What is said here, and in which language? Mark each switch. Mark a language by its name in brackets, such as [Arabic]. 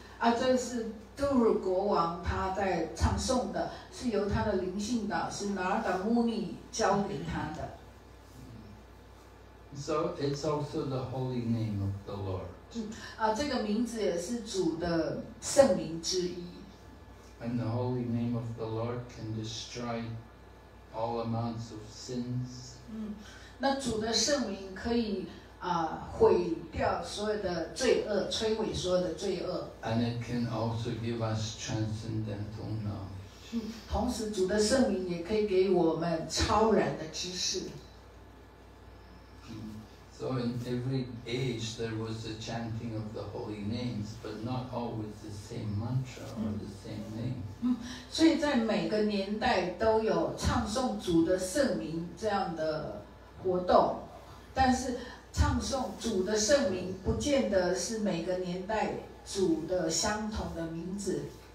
[Chinese] 啊，这是杜鲁国王他在唱诵的，是由他的灵性导师纳达穆尼教给他的。 [English] So it's also the holy name of the Lord. [Chinese] 啊，这个名字也是主的圣名之一。 [English] And the holy name of the Lord can destroy all amounts of sins. [Chinese] 那主的圣名可以。毁掉所有的罪恶，摧毁所有的罪恶。 [English] And it can also give us transcendental knowledge. [Chinese] 同时主的圣名也可以给我们超然的知识。 [English] So in every age there was a chanting of the holy names, but not always the same mantra or the same name. [Chinese] 所以在每个年代都有唱诵主的圣名这样的活动，但是。唱诵主的圣名，不见得是每个年代主的相同的名字。